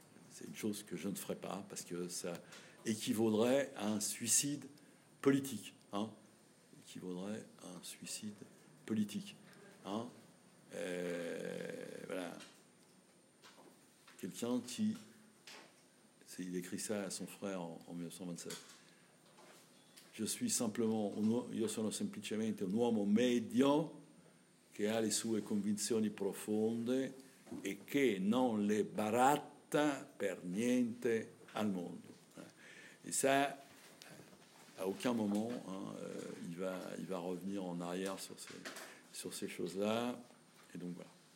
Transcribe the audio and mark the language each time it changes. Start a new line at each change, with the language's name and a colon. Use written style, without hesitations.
French: C'est une chose que je ne ferai pas parce que ça équivaudrait à un suicide politique, hein. Qui vaudrait un suicide politique, hein. Et voilà, quelqu'un qui, c'est, il écrit ça à son frère en 1927. Je suis simplement,
Italian: io sono semplicemente un uomo medio che ha le sue convinzioni profonde e che non le baratta per niente al mondo.
French: Et ça, à aucun moment, hein, il va revenir en arrière sur ces choses-là. Et donc, voilà.